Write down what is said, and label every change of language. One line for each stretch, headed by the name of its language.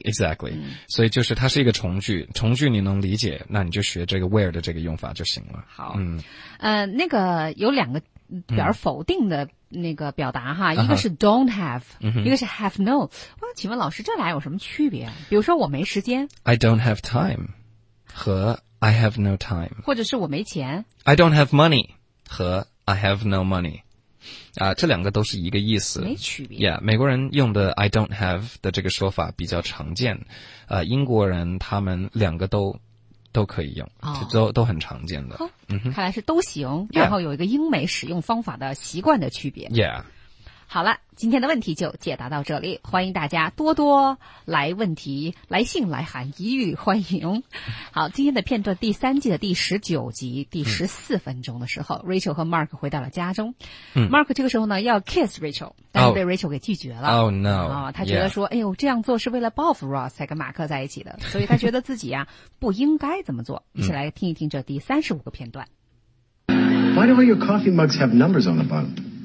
Chinese: Exactly.、所以就是它是一个从句，从句你能理解，那你就学这个 where 的这个用法就行了。好。那个有两个比较否定的那个表达哈、一个是 don't have,、一个是 have no。我请问老师这俩有什么区别？比如说我没时间。
English: I don't have time, 和I have no time.
Chinese: 或者是我没钱。
English: I don't have money 和 I have no money.
Chinese: 啊，这两个都是一个意思。没区别。 Yeah, 美国人用的
English: I don't have
Chinese: 的这个说法比较常见。英国人他们两个都可以用。哦、都很常见的。看来是都行，然后有一个英美使用方法的习惯的区别。
English: Yeah.
Chinese: 好了，今天的问题就解答到这里。欢迎大家多多来问题、来信、来函，一律欢迎。好，今天的片段第三季的第19集第14分钟的时候、Rachel 和 Mark 回到了家中。 Mark 这个时候呢要 kiss Rachel, 但是被 Rachel 给拒绝了。
English: Oh, no.、
Chinese: 他觉得说、哎呦，这样做是为了报复 Ross 才跟马克在一起的。所以他觉得自己啊不应该这么做。一起来听一听这第35个片段。
English: Why do all your coffee mugs have numbers on the bottom?